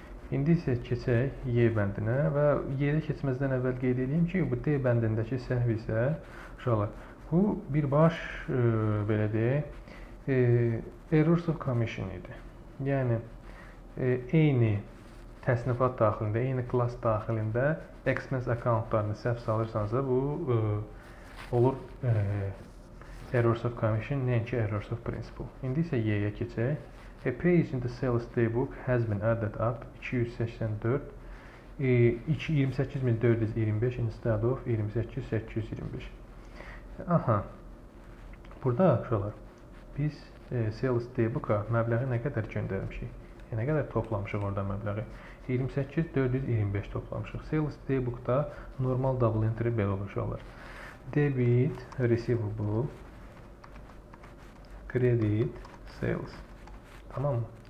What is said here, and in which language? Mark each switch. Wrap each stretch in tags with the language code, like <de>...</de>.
<az>İndi isə keçək Y bəndinə və Y-də keçməzdən əvvəl qeyd edeyim ki, bu D bəndindəki səhv isə uşaqlar, bu birbaş belə deyək, errors of commission idi. Yəni, eyni təsnifat daxilində, eyni klas daxilində expense accountlarını səhv salırsanız da bu olur errors of commission, nəinki errors of principle. İndi isə Y-yə keçək.</az> <en>A page in the sales day book has been added up 284 28425 instead of 28825. Aha.</en> <az>Burada uşaqlar biz sales day booka məbləği nə qədər göndərmişik? Nə qədər toplamışıq orada məbləği? 28425 toplamışıq. Sales daybook-da normal double entry belə olur uşaqlar.</az> <en>Debit receivable credit sales.</en> <az>Tamam mı?</az>